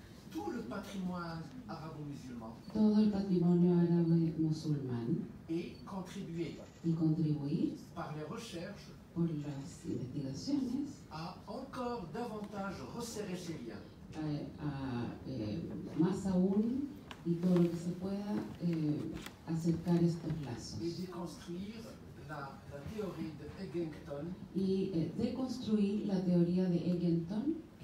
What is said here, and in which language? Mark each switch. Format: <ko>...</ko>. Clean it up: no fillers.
<fr>tout le patrimoine arabo-musulman,</fr> <es>todo el patrimonio árabe-musulmán,</es> <fr>et contribuer,</fr> <es>y contribuir,</es> <fr>par les recherches,</fr> <es>por las investigaciones,</es> <fr>a encore davantage resserrer ces liens,</fr> <es>más aún, y todo lo que se pueda acercar estos lazos, y deconstruir la teoría de Eggington, y deconstruir la teoría de Eggington.</es>